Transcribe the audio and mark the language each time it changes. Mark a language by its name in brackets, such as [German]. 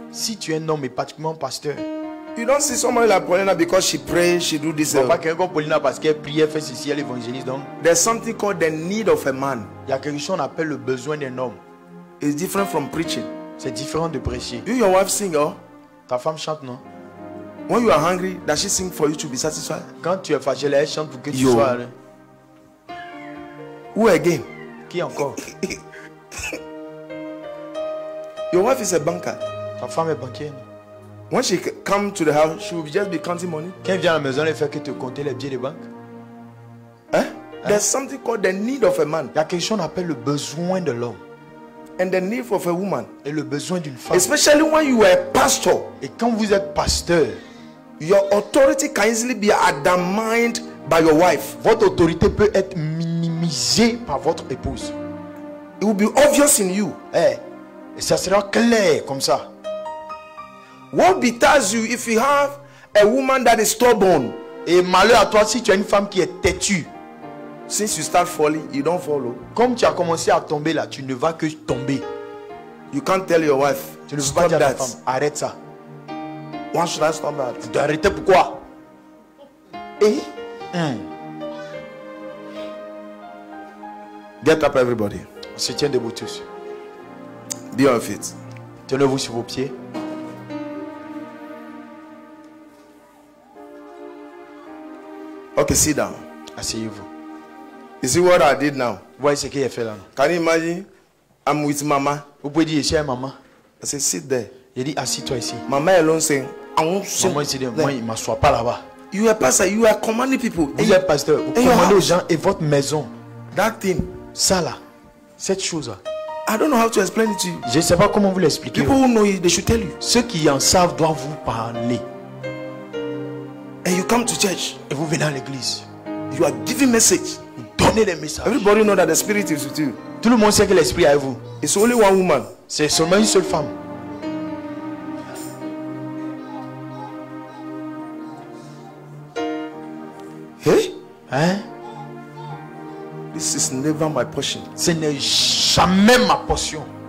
[French] Si tu es un homme, et particulièrement pasteur. [English] You don't see somebody like Paulina because she prays, she do this. [French] Pas quelqu'un comme Paulina parce qu'elle prie, elle fait ceci, elle évangélise donc. [English] There's something called the need of a man. [French] Il y a quelque chose qu'on appelle le besoin d'un homme. [English] It's different from preaching. [French] C'est différent de prêcher. [English] Do your wife sing, oh? [French] Ta femme chante, non? [English] When you are hungry, does she sing for you to be satisfied? [French] Quand tu es fâché, elle chante pour que tu sois. Là. [English] Who again? [French] Qui encore? [English] Your wife is a banker. [French] Ta femme est banquière. [English] When she come to the house, she will just be counting money. [French] Quand elle vient à la maison, elle fait que te compter les billets de banque. Hein? Hein? [English] There's something called the need of a man. [French] Il y a quelque chose qu'on appelle le besoin de l'homme. [English] And the need of a woman. [French] Et le besoin d'une femme. [English] Especially when you are a pastor. [French] Et quand vous êtes pasteur, [English] your authority can easily be undermined by your wife. [French] Votre autorité peut être minimisée par votre épouse. [English] It will be obvious in you. [French] Eh? Et ça sera clair comme ça. [English] What betters you if you have a woman that is stubborn? [French] Et malheur à toi si tu as une femme qui est têtue. [English] Since you start falling, you don't follow. [French] Comme tu as commencé à tomber là, tu ne vas que tomber. [English] You can't tell your wife. [French] Tu ne peux pas dire à ta femme, arrête ça. [English] Why should I stop that? [French] Tu dois arrêter pourquoi? Eh? [English] Get up, everybody. [French] On se tient debout tous. [English] Be on feet. [French] Tenez-vous sur vos pieds. [English] Okay, sit down. [French] Asseyez-vous. [English] You see what I did now? [French] Voyez ce que j'ai fait là. [English] Can you imagine? I'm with mama. [French] Vous pouvez dire, je suis avec mama. [English] I said, sit there. [French] Il dit, assis-toi ici. [English] Mama alone saying, [French] maman ici, moi, il ne m'assoit pas là-bas. [English] You are pastor, you are commanding people. [French] Vous êtes pasteur, vous commandez aux gens et votre maison. [English] That thing. [French] Ça là, cette chose là. [English] I don't know how to explain it to you. [French] Je ne sais pas comment vous l'expliquer. [English] People who know it, they should tell you. [French] Ceux qui en savent doivent vous parler. [English] And you come to church. [French] Et vous venez à l'église. [English] You are giving message. [French] Vous donnez des messages. [English] Everybody know that the spirit is with you. [French] Tout le monde sait que l'esprit est avec vous. [English] It's only one woman. [French] C'est seulement une seule femme. [English] Hey? [French] Hein? [English] This is never my portion. [French] Ce n'est jamais ma portion.